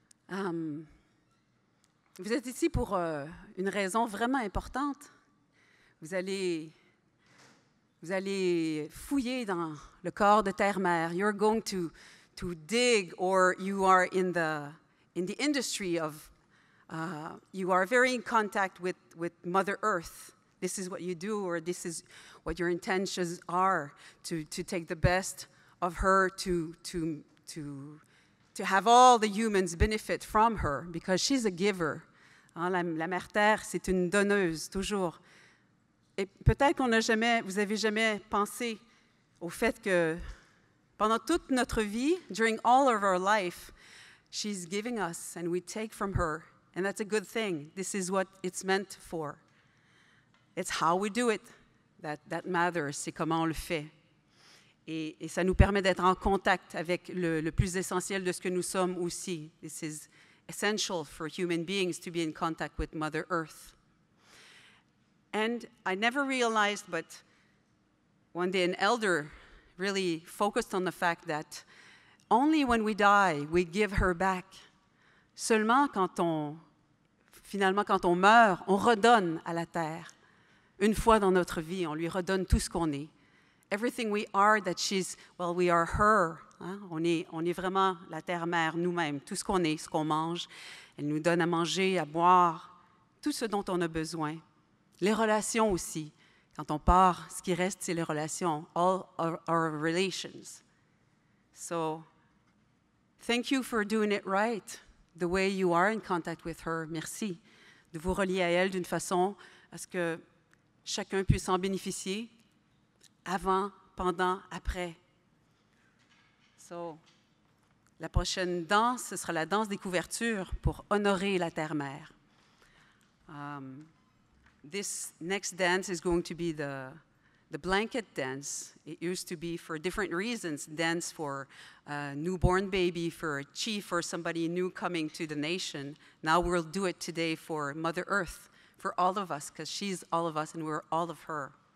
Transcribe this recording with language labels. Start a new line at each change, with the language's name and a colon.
French: Vous êtes ici pour une raison vraiment importante. Vous allez fouiller dans le corps de terre-mère.
English: You're going to dig, or you are in the industry of you are very in contact with Mother Earth. This is what you do, or this is what your intentions are, to take the best of her, to have all the humans benefit from her, because she's a giver.
French: Hein, la Mère Terre, c'est une donneuse, toujours. Et peut-être qu'on n'a jamais, vous avez jamais pensé au fait que pendant toute notre vie,
English: during all of our life, she's giving us and we take from her. And that's a good thing. This is what it's meant for. It's how we do it that matters.
French: C'est comment on le fait. Et ça nous permet d'être en contact avec le plus essentiel de ce que nous sommes aussi.
English: This is essential for human beings to be in contact with Mother Earth. And I never realized, but one day an elder really focused on the fact that only when we die, we give her back.
French: Seulement quand on meurt, on redonne à la Terre. Une fois dans notre vie, on lui redonne tout ce qu'on est.
English: Everything we are that she's, well, we are her.
French: Hein? On est vraiment la terre-mère, nous-mêmes. Tout ce qu'on est, ce qu'on mange, elle nous donne à manger, à boire, tout ce dont on a besoin. Les relations aussi. Quand on part, ce qui reste, c'est les relations.
English: All our relations. So, thank you for doing it right, the way you are in contact with her.
French: Merci de vous relier à elle d'une façon à ce que chacun puisse en bénéficier. Avant, pendant, après. So, la prochaine danse, ce sera la danse des couvertures pour honorer la terre-mère.
English: This next dance is going to be the blanket dance. It used to be for different reasons, dance for a newborn baby, for a chief, or somebody new coming to the nation. Now we'll do it today for Mother Earth, for all of us, because she's all of us and we're all of her.